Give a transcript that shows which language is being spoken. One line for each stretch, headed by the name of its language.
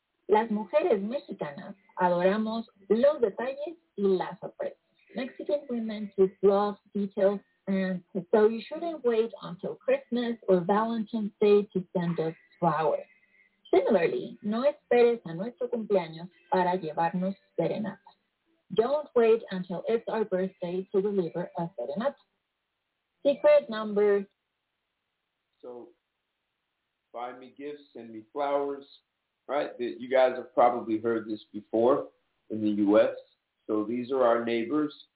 Spanish: Las mujeres mexicanas adoramos los detalles y las sorpresas.
English: Mexican women just love details, and so you shouldn't wait until Christmas or Valentine's Day to send us flowers. Similarly,
Spanish: no esperes a nuestro cumpleaños para llevarnos serenata.
English: Don't wait until it's our birthday to deliver a serenata. Secret number. So, buy me gifts, send me flowers, right? You guys have probably heard this before in the U.S., so these are our neighbors.